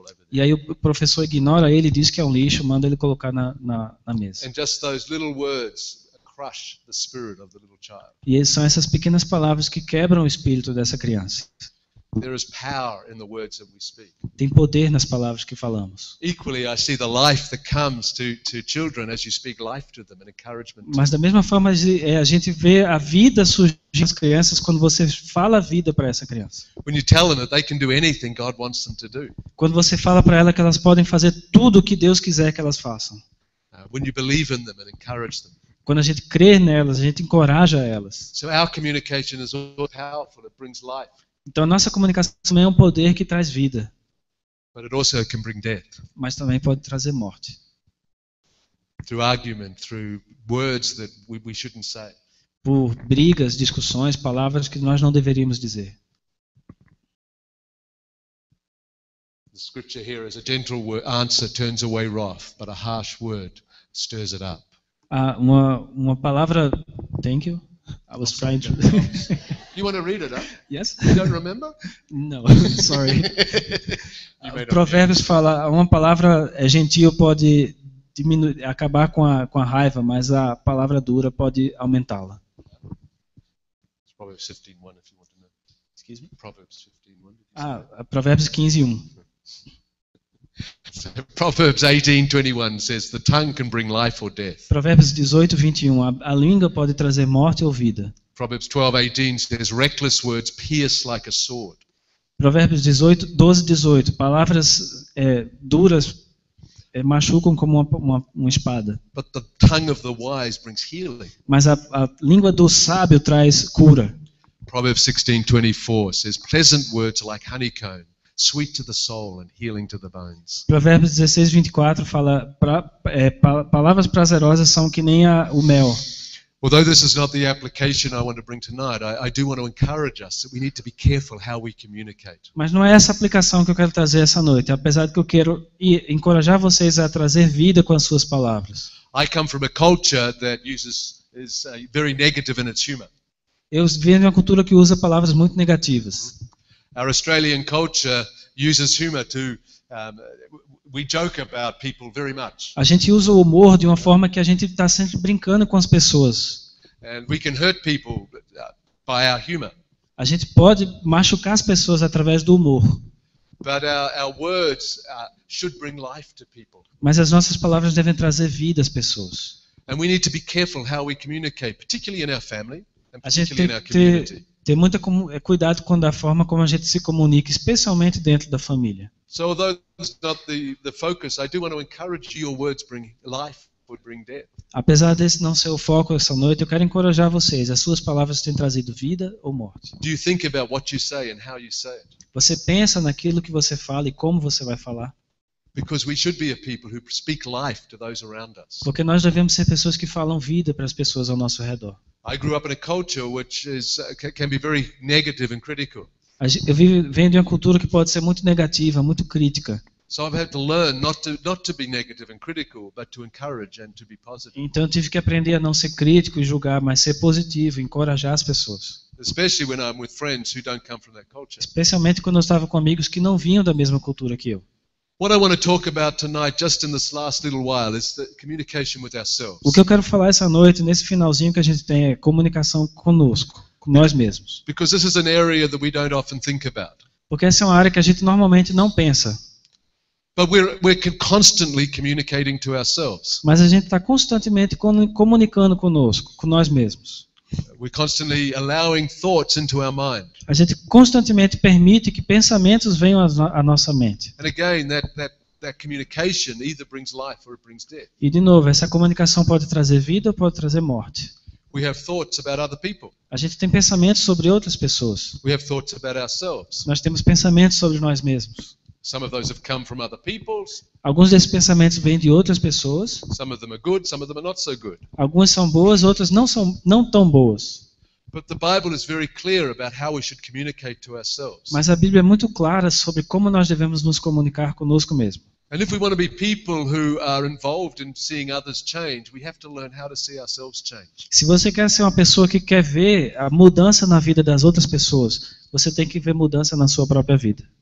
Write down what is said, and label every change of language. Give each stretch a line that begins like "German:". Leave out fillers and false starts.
Portuguese: E aí o professor ignora ele, diz que é um lixo, manda ele colocar na mesa.
English: And just those little words crush the spirit of the little child.
Portuguese: E são essas pequenas palavras que quebram o espírito dessa criança.
English: There is power in the words that we speak.
Portuguese: Tem poder nas palavras que falamos.
English: Equally, I see the life that comes to children as you speak life to them and encouragement.
Portuguese: Mas da mesma forma, a gente vê a vida surgir nas crianças quando você fala a vida para essa criança.
English: When you tell them that they can do anything God wants them to do.
Portuguese: Quando você fala para ela que elas podem fazer tudo o que Deus quiser que elas façam.
English: When you believe in them and encourage them.
Portuguese: Quando a gente crê nelas, a gente encoraja elas.
English: So our communication is all powerful. It brings life.
Portuguese: Então, a nossa comunicação também é um poder que traz vida.
English: But it also can bring death.
Portuguese: Mas também pode trazer morte.
English: Through argument, through words that we shouldn't say.
Portuguese: Por brigas, discussões, palavras que nós não deveríamos dizer.
English: The scripture here is a gentle answer turns away wrath, but a harsh word stirs it up.
Portuguese: Uma palavra,
English: thank you. I was trying to. You want to read it, huh? Yes. You don't remember? No, sorry.
Portuguese: Provérbios fala, uma palavra gentil pode diminuir, acabar com a raiva, mas a palavra dura pode aumentá-la.
English: It's Proverbs 15:1 if you want to know. Excuse me? Proverbs
Portuguese: 15:1. Provérbios 15:1.
English: Proverbs 18:21 says the tongue can bring life or death.
Portuguese: Provérbios 18:21, a língua pode trazer morte ou vida.
English: Proverbs 12:18 says reckless words pierce like a sword.
Portuguese: Provérbios 12:18, palavras duras machucam como uma espada.
English: But the tongue of the wise brings healing.
Portuguese: Mas a língua do sábio traz cura.
English: Proverbs 16:24 says pleasant words are like honeycomb. Sweet to the soul and healing to the bones.
Portuguese: Provérbios 16:24 fala palavras prazerosas são que nem o mel.
English: Although this is not the application I want to bring tonight, I do want to encourage us that we need to be careful how we communicate.
Portuguese: Mas não é essa aplicação que eu quero trazer essa noite, apesar de que eu quero encorajar vocês a trazer vida com as suas palavras.
English: I come from a culture that is very negative in its humor.
Portuguese: Eu venho de uma cultura que usa palavras muito negativas.
English: Our Australian culture uses humor to we joke about people very much.
Portuguese: A gente usa o humor de uma forma que a gente está sempre brincando com as pessoas.
English: And we can hurt people by our humor.
Portuguese: A gente pode machucar as pessoas através do humor.
English: But our words should bring life to people.
Portuguese: Mas as nossas palavras devem trazer vida às pessoas.
English: And we need to be careful how we communicate, particularly in our family and particularly in our community.
Portuguese: Tem muito cuidado com a forma como a gente se comunica, especialmente dentro da família.
English: So, although it's not the focus, I do want to encourage your words bring life or bring death.
Portuguese: Apesar desse não ser o foco essa noite, eu quero encorajar vocês. As suas palavras têm trazido vida ou morte?
English: Do you think about what you say and how you say it?
Portuguese: Você pensa naquilo que você fala e como você vai falar?
English: Because we should be a people who speak life to those around us.
Portuguese: Porque nós devemos ser pessoas que falam vida para as pessoas ao nosso redor.
English: I grew up in a culture which is can be very negative and critical.
Portuguese: Eu venho de uma cultura que pode ser muito negativa, muito crítica.
English: So I've had to learn not to be negative and critical, but to encourage and to be positive.
Portuguese: Então eu tive que aprender a não ser crítico e julgar, mas ser positivo, encorajar as pessoas.
English: Especially when I'm with friends who don't come from that culture.
Portuguese: Especialmente quando eu estava com amigos que não vinham da mesma cultura que eu.
English: What I want to talk about tonight, just in this last little while, is the communication with ourselves.
Portuguese: O que eu quero falar essa noite, nesse finalzinho que a gente tem, é comunicação conosco, com nós mesmos.
English: Because this is an area that we don't often think about.
Portuguese: Porque essa é uma área que a gente normalmente não pensa.
English: But we're constantly communicating to ourselves.
Portuguese: Mas a gente está constantemente comunicando conosco, com nós mesmos.
English: We're constantly allowing thoughts into our mind.
Portuguese: A gente constantemente permite que pensamentos venham à nossa mente.
English: And again, that communication either brings life or it brings death.
Portuguese: E de novo, essa comunicação pode trazer vida ou pode trazer morte.
English: We have thoughts about other people.
Portuguese: A gente tem pensamentos sobre outras pessoas.
English: We have thoughts about ourselves.
Portuguese: Nós temos pensamentos sobre nós mesmos.
English: Some of those have come from other people's.
Portuguese: Alguns desses pensamentos vêm de outras pessoas.
English: Some of them are good, some of them are not so good.
Portuguese: Algumas são boas, outras não tão boas.
English: But the Bible is very clear about how we should communicate to ourselves.
Portuguese: Mas a Bíblia é muito clara sobre como nós devemos nos comunicar conosco mesmo.
English: And if we want to be people who are involved in seeing others change, we have to learn how to see ourselves change.
Portuguese: Se você quer ser uma pessoa que quer ver a mudança na vida das outras pessoas, você tem que ver mudança na sua própria vida.